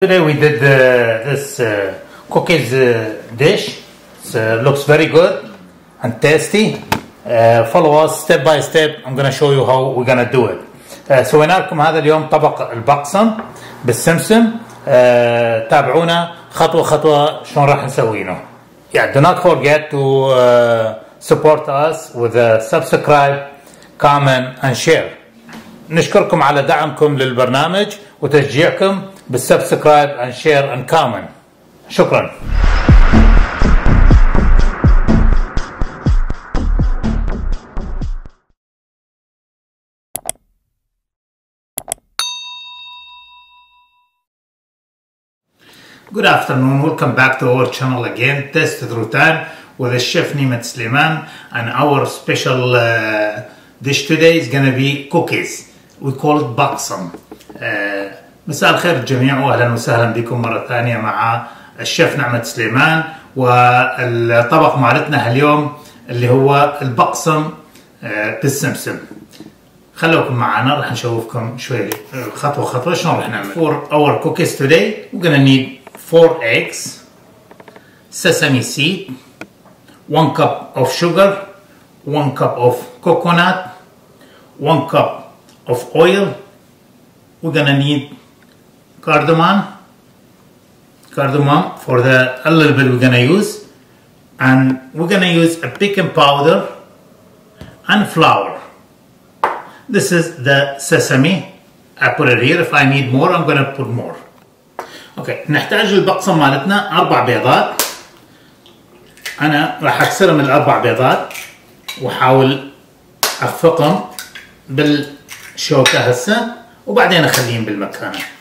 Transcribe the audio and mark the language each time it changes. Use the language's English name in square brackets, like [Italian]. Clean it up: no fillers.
[English] Today we did this cookies dish. It looks very good and tasty. Follow us step by step. I'm gonna show you how we're gonna do it. [Arabic] سوينا لكم هذا اليوم طبق البقسم بالسمسم. تابعونا خطوة خطوة شلون راح نسوينه. [English] Yeah, do not forget to support us with a subscribe, comment, and share. [Arabic] نشكركم على دعمكم للبرنامج وتشجيعكم بالسبسكرايب [English] and share and comment. [Arabic] شكرا. [English] Good afternoon. Welcome back to our channel again. Test through time with the chef Nimet Sliman. And our special dish today is going to be cookies. We call it baksam. [Arabic] مساء الخير الجميع واهلا وسهلا بكم مره ثانيه مع الشيف نعمه سليمان. والطبق مالتنا اليوم اللي هو البقسم بالسمسم. خلوكم معنا راح نشوفكم شوي خطوه خطوه شلون راح نعمل. [English] For our cookies today we're gonna need 4 eggs, sesame seed, 1 cup of sugar, 1 cup of coconut, 1 cup of oil. We're gonna need cardamom for the a little bit we're gonna use, and we're gonna use a baking powder and flour. This is the sesame. I put it here. If I need more, I'm gonna put more. Okay. [Arabic] نحتاج البقسم مالتنا 4 بيضات. أنا راح أكسرهم الأربع بيضات وحاول أخفقهم بالشوكة هسا وبعدين أخليهم بالمكانة.